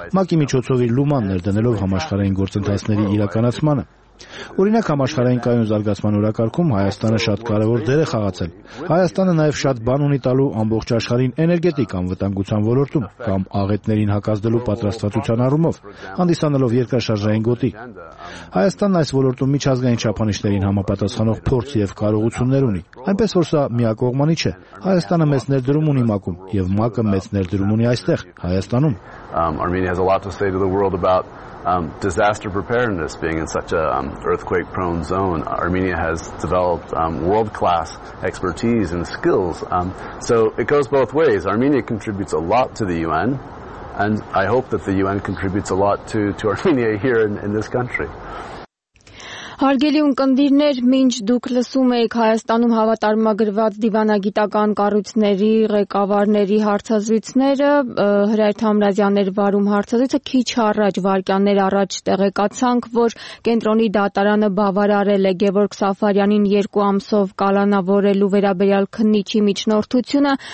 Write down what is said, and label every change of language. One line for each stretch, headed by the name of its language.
Armenian: ՄԱԿ-ի միջոցով իր լուման ներդնելով համաշխարհային գործընթացների իրականացմանը։ Օրինակ, համաշխարհային կայուն զարգացման օրակարգում Հայաստանը շատ կարևոր դեր է խաղացել։ Հայաստանը նաև շատ բան ունի տալու ամբողջ աշխարհին էներգետիկ անվտանգության ոլորտում կամ աղետներին հակազդելու պատրաստվածության առումով, հանդիսանելով երկրաշարժային գոտի։ Հայաստանն այս ոլորտում միջազգային չափանիշներին համապատասխանող փորձ եւ կարողություններ ունի, այնպես որ սա միակողմանի չէ։ Հայաստանը մեծ ներդրում ունի ՄԱԿ-ում եւ ՄԱԿ-ը մեծ ներդրում ունի այստեղ, Հայաստանում։
English: Armenia has a lot to say to the world about disaster preparedness, being in such a earthquake prone zone. Armenia has developed world class expertise and skills, so it goes both ways. Armenia contributes a lot to the UN, and I hope that the UN contributes a lot to Armenia here in this country.
Armenian: Հարգելի ուղդիրներ, մինչ դուք լսում եք Հայաստանում հավատարմագրված դիվանագիտական կառույցների ղեկավարների հարցազրույցները, Հրայր Թամրազյանն էր վարում հարցազրույցը, քիչ առաջ, վարկյաններ առաջ տեղեկացանք, որ կենտրոնի դատարանը բավարարել է Գևորգ Սաֆարյանին 2 ամսով կալանավորելու վերաբերյալ քննիչի միջնորդությունը,